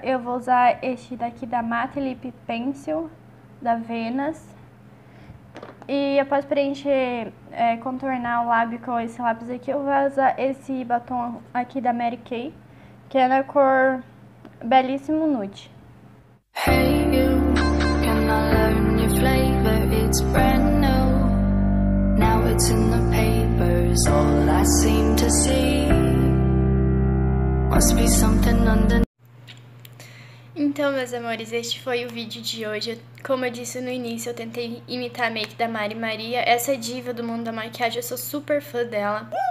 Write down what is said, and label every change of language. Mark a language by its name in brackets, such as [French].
[Portuguese] Eu vou usar este daqui da Matte Lip Pencil, da Venus. E após preencher, contornar o lábio com esse lápis aqui, eu vou usar esse batom aqui da Mary Kay, que é na cor Belíssimo Nude. [English] Hey you, can I learn your flavor? It's brand new. Now it's in the papers, all I seem to see. Must be something underneath. [Portuguese] Então, meus amores, este foi o vídeo de hoje. Como eu disse no início, eu tentei imitar a make da Mari Maria. Essa é diva do mundo da maquiagem, eu sou super fã dela.